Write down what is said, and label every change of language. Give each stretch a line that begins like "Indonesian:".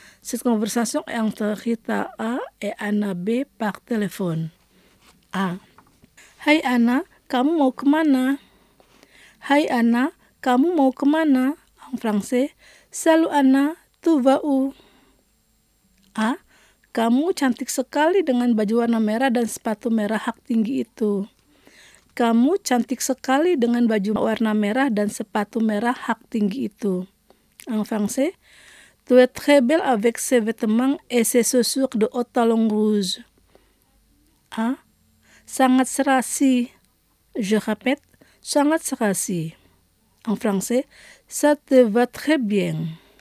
French: Cette conversation est entre Rita A et Anna B par téléphone. A.
Indonesian: Hai Anna, kamu mau kemana? Hai Anna, kamu mau kemana?
French: En français, salut Anna, tu vas où? A.
Indonesian: Kamu cantik sekali dengan baju warna merah dan sepatu merah hak tinggi itu. Kamu cantik sekali dengan baju warna merah dan sepatu merah hak tinggi itu.
French: En français, tu es très belle avec ces vêtements et ces chaussures de haut talon rouge.
Indonesian: A. Sangat serasi.
French: Je répète.
Indonesian: Sangat serasi.
French: En français, ça te va très bien.